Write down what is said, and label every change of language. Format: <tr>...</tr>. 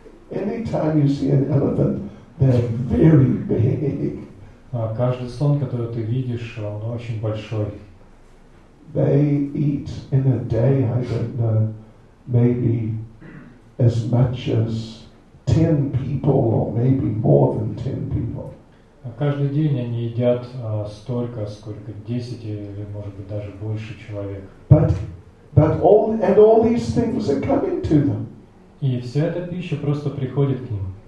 <en>Anytime you see an elephant, they're very big.</en> <ru>Каждый слон, который ты видишь, он очень большой.</ru> <en>They eat in a day, I don't know. Maybe as much as 10 people, or maybe more than 10 people.</en> <ru>Каждый день они едят столько, сколько 10 или, может быть, даже больше человек.</ru> <en>But all these things are coming to them.</en> <ru>И вся эта пища просто приходит к ним.</ru>